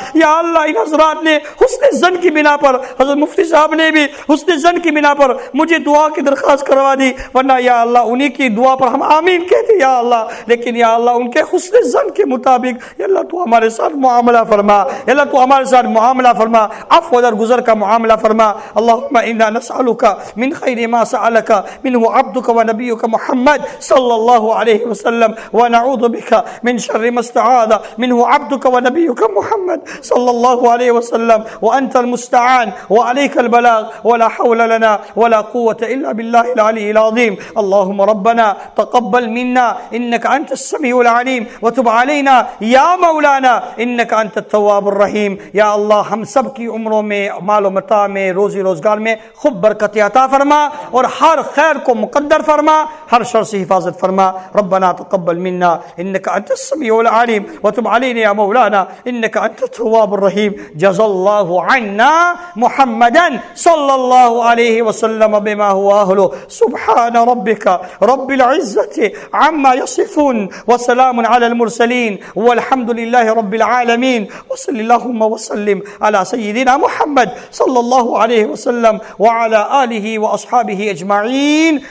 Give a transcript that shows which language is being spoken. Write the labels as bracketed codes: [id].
[ur] یا اللہ ان حضرات نے حسن ظن کی بنا پر, حضرت مفتی صاحب نے بھی حسن ظن کی بنا پر مجھے دعا کی درخواست کروا دی, ورنہ یا اللہ انہی کی دعا پر ہم آمین کہتے یا اللہ, لیکن یا اللہ ان کے حسن ظن کے مطابق یا اللہ تو ہمارے ساتھ معاملہ فرما, یا اللہ تو ہمارے ساتھ معاملہ فرما, عفو و درگزر کا معاملہ فرما. [ar] اللہم انا نسالک من خیر ما سالک منہ عبدک و نبیک محمد صلی اللہ علیہ وسلم, ونعوذ بك من شر ما استعاذ منه عبدك ونبيك محمد صلى الله عليه وسلم, وأنت المستعان وعليك البلاغ, ولا حول لنا ولا قوة إلا بالله العلي العظيم. اللهم ربنا تقبل منا إنك أنت السميع العليم, وتب علينا يا مولانا إنك أنت التواب الرحيم. [ur] يا الله ہم سب کی عمروں میں, مال و متاع میں, روزی روزگار میں خوب برکت عطا فرما, اور ہر خیر کو مقدر فرما, ہر شر سے حفاظت فرما. [ar] ربنا تقبل منا انك انت السميع العليم, وتب علينا يا مولانا انك انت التواب الرحيم. جزا الله عنا محمدا صلى الله عليه وسلم بما هو اهله. سبحان ربك رب العزه عما يصفون, وسلام على المرسلين, والحمد لله رب العالمين, وصلى اللهم وسلم على سيدنا محمد صلى الله عليه وسلم وعلى اله واصحابه اجمعين.